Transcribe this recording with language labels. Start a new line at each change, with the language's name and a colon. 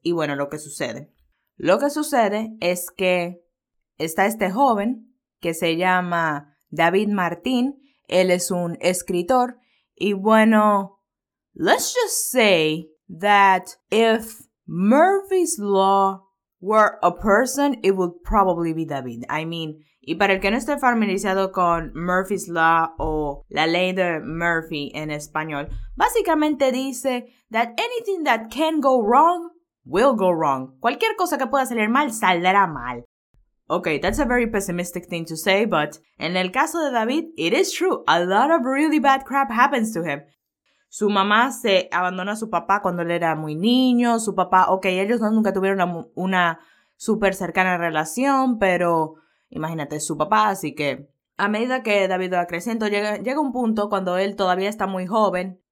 Spanish: Y bueno, lo que sucede es que está este joven que se llama David Martín, él es un escritor, y bueno,
English: let's just say that if Murphy's Law were a person, it would probably be David. I mean,
Spanish: y para el que no esté familiarizado con Murphy's Law o la ley de Murphy en español, básicamente dice
English: that anything that can go wrong,
Spanish: will go wrong. Cualquier cosa que pueda salir mal, saldrá mal.
English: Okay, that's a very pessimistic thing to say, but
Spanish: en el caso de David,
English: it is true. A lot of really bad crap happens to him.
Spanish: Su mamá se abandonó a su papá cuando él era muy niño. Su papá, okay, ellos no, nunca tuvieron una super cercana relación, pero imagínate, su papá. Así que a medida que David va creciendo, llega un punto cuando él todavía está muy joven.